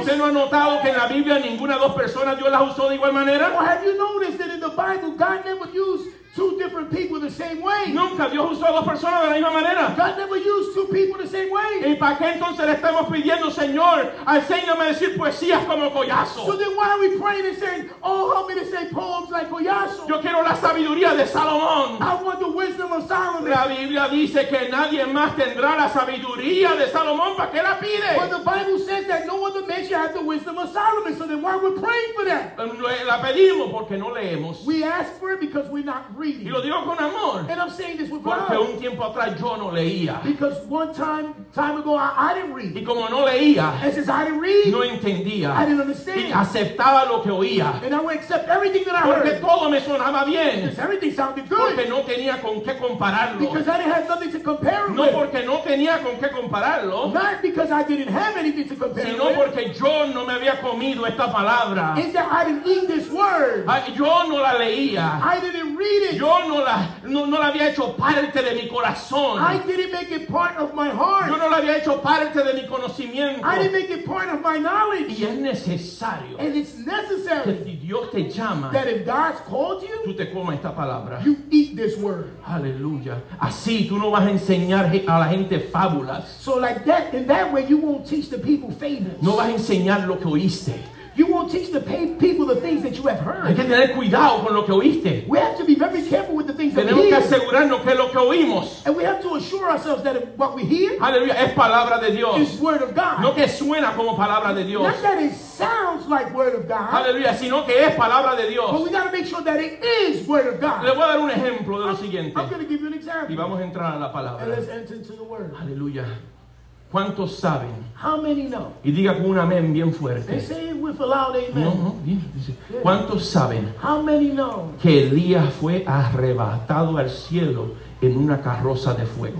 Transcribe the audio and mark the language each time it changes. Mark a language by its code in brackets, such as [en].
[es] ¿Usted no ha notado que en la Biblia ninguna dos personas Dios las usó de igual manera? [en] Or have you noticed that in the Bible God never used two different people the same way? [es] Nunca Dios usó a dos personas de la misma manera. [en] God never used two people the same way. [es] ¿Y para qué entonces le estamos pidiendo, Señor, al Señor me decir poesías como Collazo? [en] So then why are we praying and saying, oh, help me to say poems like Collazo? [es] Yo quiero la sabiduría de Salomón. [en] I want the wisdom of Solomon. [es] La Biblia dice que nadie más tendrá la sabiduría de Salomón. ¿Para qué la pide? [en] But the Bible says that no other man shall have the wisdom of Solomon. So then why are we praying for that? [es] La pedimos porque no leemos. [en] We ask for it because we're not reading. [es] Y lo digo con amor. [en] And I'm saying this with [es] porque [en] love. [es] Un tiempo atrás yo no leía. [en] Because one time Time ago, I didn't read. [es] Y como no leía, [en] and since I didn't read, [es] no entendía. [en] I didn't understand. [es] Y aceptaba lo que oía. [en] And I would accept everything that I [es] porque [en] heard. [es] Porque todo me sonaba bien. [en] Because everything sounded good. [es] Porque no tenía con qué compararlo. [en] Because I didn't have nothing to compare [es] no [en] with. [es] Porque no tenía con qué compararlo. [en] Not because I didn't have anything to compare [es] sino [en] with. [es] Sino porque yo no me había comido esta palabra. [en] Is that I didn't eat this word. [es] Yo no la leía. [en] I didn't read it. [es] Yo no la había hecho parte de mi corazón. [en] I didn't make it part of my heart. [es] Yo no la había hecho parte de mi conocimiento. [en] I didn't make it part of my knowledge. [es] Y es necesario. [en] And it's necessary. [es] Que si Dios te llama, [en] that if God's called you, [es] tú te comas esta palabra. [en] You eat this word. [es] Aleluya. Así tú no vas a enseñar a la gente fábulas. [en] So like that, in that way, you won't teach the people fables. [es] No vas a enseñar lo que oíste. [en] You won't teach the people the things that you have heard. [es] Hay que tener cuidado con lo que oíste. [en] We have to be very careful with the things [es] tenemos [en] that we hear. [es] Tenemos que asegurarnos que lo que oímos. [en] And we have to assure ourselves that what we hear. [es] Aleluya, es palabra de Dios. [en] Is word of God. [es] No que suena como palabra de Dios. [en] Not that it sounds like word of God. [es] Aleluya, sino que es palabra de Dios. [en] But we got to make sure that it is word of God. [es] Le voy a dar un ejemplo de lo siguiente. [en] I'm going to give you an example. [es] Y vamos a entrar a la palabra. [en] And let's enter into the word. [es] Aleluya. ¿Cuántos saben? [en] How many know? [es] Y diga con un amén bien fuerte. [en] They say it with a loud amen. [es] No, no, bien. Dice, ¿cuántos saben? [en] How many know? [es] Que Elías fue arrebatado al cielo en una carroza de fuego.